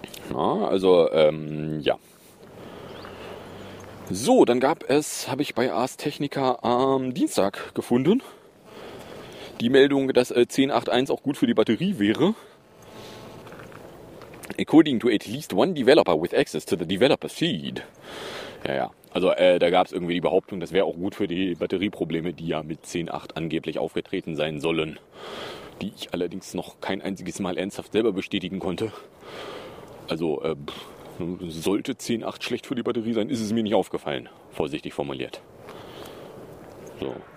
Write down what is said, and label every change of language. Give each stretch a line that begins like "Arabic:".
German: Na, also, ja. So, dann gab es, habe ich bei Ars Technica am Dienstag gefunden, die Meldung, dass 10.8.1 auch gut für die Batterie wäre.
English: According to at least one developer with access to the developer feed.
German: Ja, ja. Also, da gab es irgendwie die Behauptung, das wäre auch gut für die Batterieprobleme, die ja mit 10.8 angeblich aufgetreten sein sollen. Die ich allerdings noch kein einziges Mal ernsthaft selber bestätigen konnte. Also, sollte 10.8 schlecht für die Batterie sein, ist es mir nicht aufgefallen. Vorsichtig formuliert. So.